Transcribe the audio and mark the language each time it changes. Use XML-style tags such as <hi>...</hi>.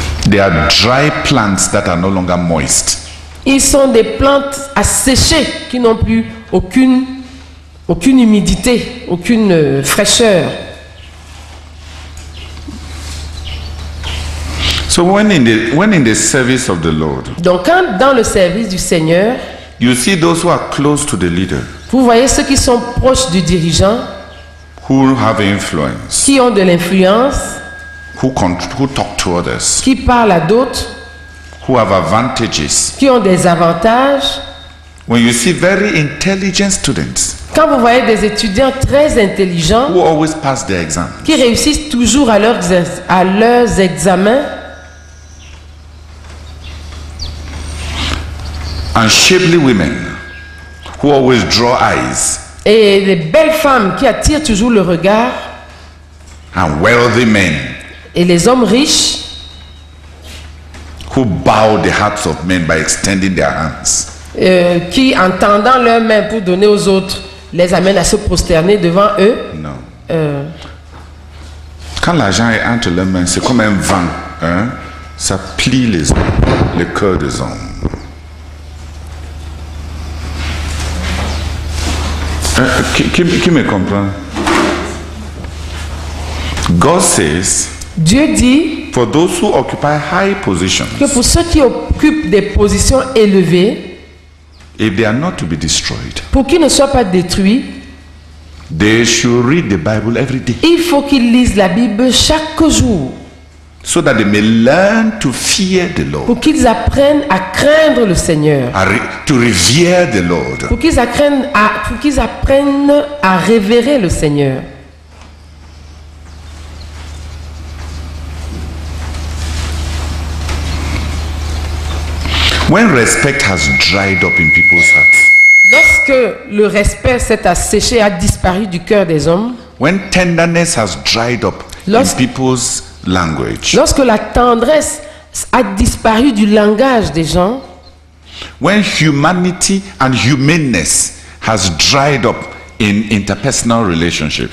<en>They are dry plants that are no longer moist.</en> <fr>Ils sont des plantes asséchées qui n'ont plus aucune humidité, aucune fraîcheur.</fr> <en>So when in the service of the Lord.</en> <fr>Donc quand dans le service du Seigneur,</fr> <en>you see those who are close to the leader.</en> <fr>Vous voyez ceux qui sont proches du dirigeant.</fr> <en>Who have influence.</en> <fr>Qui ont de l'influence.</fr> <en>Who talk to others.</en> <fr>Qui parle à d'autres.</fr> <en>Who have advantages.</en> <fr>Qui ont des avantages.</fr> <en>When you see very intelligent students.</en> <fr>Quand vous voyez des étudiants très intelligents.</fr> <en>Who always pass their exams.</en> <fr>Qui réussissent toujours à leurs examens.</fr> <en>And shapely women. Who always draw eyes.</en> <fr>Et les belles femmes qui attirent toujours le regard.</fr> <en>And wealthy men.</en> <fr>Et les hommes riches.</fr> <en>Who bow the hearts of men by extending their hands.</en> <fr>Qui en tendant leurs mains pour donner aux autres les amènent à se prosterner devant eux. Non. Quand l'argent est entre leurs mains, c'est comme un vent. Hein? Ça plie les hommes, le cœur des hommes. Qui me comprend?</fr> <en>God says,</en> <fr>Dieu dit,</fr> <en>for those who occupy high positions,</en> <fr>que pour ceux qui occupent des positions élevées,</fr> <en>if they are not to be destroyed,</en> <fr>pour qu'ils ne soient pas détruits,</fr> <en>they should read the Bible every day.</en> <fr>Il faut qu'ils lisent la Bible chaque jour,</fr> <en>so that they may learn to fear the Lord.</en> <fr>Pour qu'ils apprennent à craindre le Seigneur.</fr> <en>To revere the Lord.</en> <fr>Pour qu'ils apprennent à révérer le Seigneur.</fr> <en>When respect has dried up in people's hearts.</en> <fr>Lorsque le respect s'est asséché, a disparu du cœur des hommes.</fr> <en>When tenderness has dried up in people's language.</en> <fr>Lorsque la tendresse a disparu du langage des gens.</fr> <en>When humanity and humaneness has dried up in interpersonal relationships.</en>